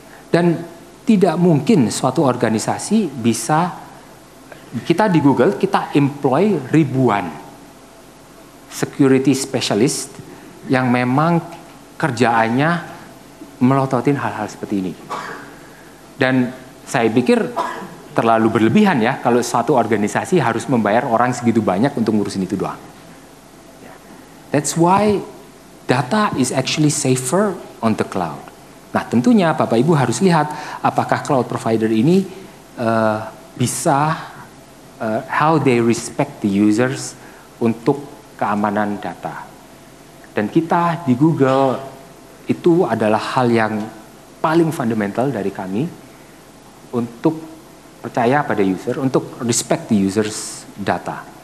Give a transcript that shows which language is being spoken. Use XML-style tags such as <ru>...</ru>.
<id>Dan tidak mungkin suatu organisasi bisa, kita di Google kita employ ribuan security specialist yang memang kerjaannya melototin hal-hal seperti ini. Dan saya pikir terlalu berlebihan ya kalau suatu organisasi harus membayar orang segitu banyak untuk ngurusin itu doang.</id> <en>That's why data is actually safer on the cloud.</en> <id>Nah tentunya Bapak Ibu harus lihat apakah cloud provider ini bisa how they respect the users untuk keamanan data. Dan kita di Google itu adalah hal yang paling fundamental dari kami untuk percaya pada user, untuk respect the users data.</id>